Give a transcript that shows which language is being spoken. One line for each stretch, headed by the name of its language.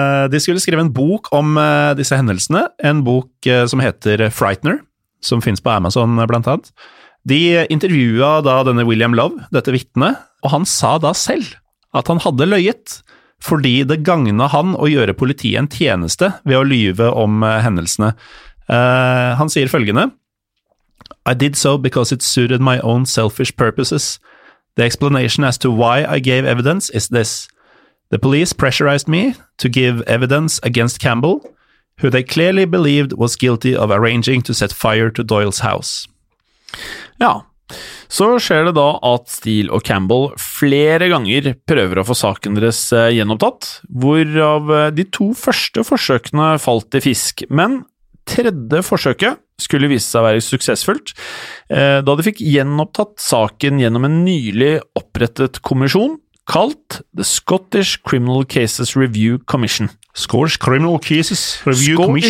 Norwegian: De skulle skrive en bok om disse hendelsene, en bok som heter Frightener, som finnes på Amazon blant annet. De intervjuet da denne William Love, dette vitnet, og han sa da selv at han hadde løyet, fordi det gagnet han å gjøre politiet en tjeneste ved å lyve om hendelsene. Han sier følgende.
English: I did so because it suited my own selfish purposes. The explanation as to why I gave evidence is this. The police pressurized me to give evidence against Campbell, who they clearly believed was guilty of arranging to set fire to Doyle's house.
Norwegian: Ja, så skjer det da at Steele og Campbell flere ganger prøver å få saken deres gjenopptatt, hvorav de to første forsøkene falt i fisk, men tredje forsøket skulle vise seg å være suksessfullt, da de fikk gjenopptatt saken gjennom en nylig opprettet kommisjon, kalt The Scottish Criminal Cases Review Commission.
English: Scottish Criminal Cases Review Scottish Commission?